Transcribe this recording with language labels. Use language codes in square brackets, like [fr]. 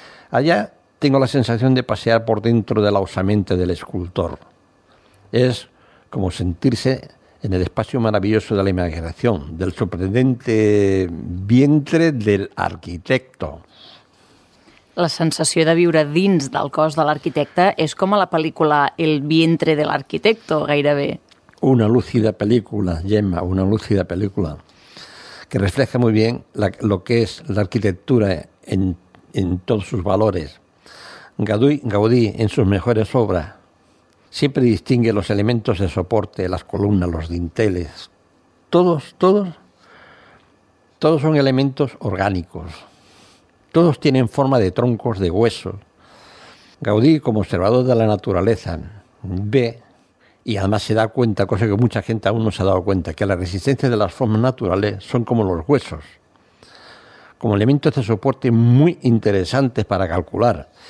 [es] Allá tengo la sensación de pasear por dentro de la osamenta del escultor. Es como sentirse en el espacio maravilloso de la imaginación, del sorprendente vientre del arquitecto. [ca] La sensació de viure dins del cos de l'arquitecte és com a la pel·lícula El vientre de l'arquitecto, gairebé. [es] Una lúcida pel·lícula, Gemma, una lúcida pel·lícula que refleja muy bien lo que es la arquitectura en todos sus valores. Gaudí, en sus mejores obras, siempre distingue los elementos de soporte, las columnas, los dinteles. Todos son elementos orgánicos. Todos tienen forma de troncos, de huesos. Gaudí, como observador de la naturaleza, ve y además se da cuenta, cosa que mucha gente aún no se ha dado cuenta, que la resistencia de las formas naturales son como los huesos, como elementos de soporte muy interesantes para calcular.